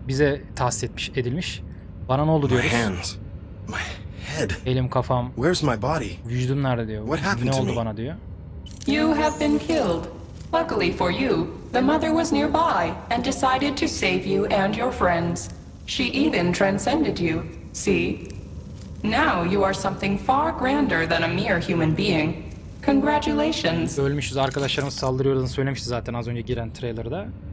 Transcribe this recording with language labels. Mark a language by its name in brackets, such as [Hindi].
[Turkish] Bize tahsis etmiş, edilmiş. Bana ne oldu diyoruz? Elim, kafam. [English] Where's my body? [Turkish] Vücudum nerede diyor. What happened ne to oldu me? Bana diyor. [English] You have been killed. Luckily for you, the mother was nearby and decided to save you and your friends. She even transcended you. See? Now you are something far grander than a mere human being. Congratulations. [Turkish] Ölmüşüz, arkadaşlarımız saldırıyordu, söylemişti zaten az önce giren trailer'da.